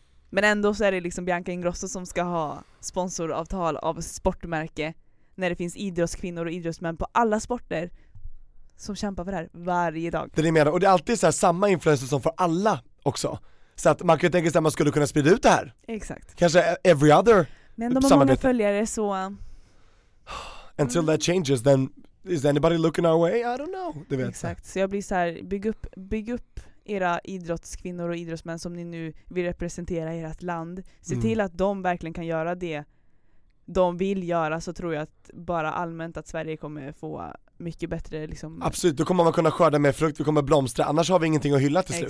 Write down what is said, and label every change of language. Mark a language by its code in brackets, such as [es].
[sv] Men ändå så är det liksom Bianca Ingrosso som ska ha sponsoravtal av sportmärke när det finns idrottskvinnor och idrottsmän på alla sporter som kämpar för det här varje dag. Det är det med. Och det är alltid så här samma influencer som för alla också. Så att man kan tänka sig att man skulle kunna sprida ut det här. Exakt. Kanske [en] every other. [sv] Men de har samarbete. Många följare så... [en] Until that changes, then is anybody looking our way? I don't know. [sv] Du vet. Exakt. Så jag blir så här, bygg upp era idrottskvinnor och idrottsmän som ni nu vill representera i ert land. Se till att de verkligen kan göra det de vill göra, så tror jag att bara allmänt att Sverige kommer få mycket bättre. Liksom. Absolut, då kommer man kunna skörda mer frukt, vi kommer blomstra, annars har vi ingenting att hylla till slut.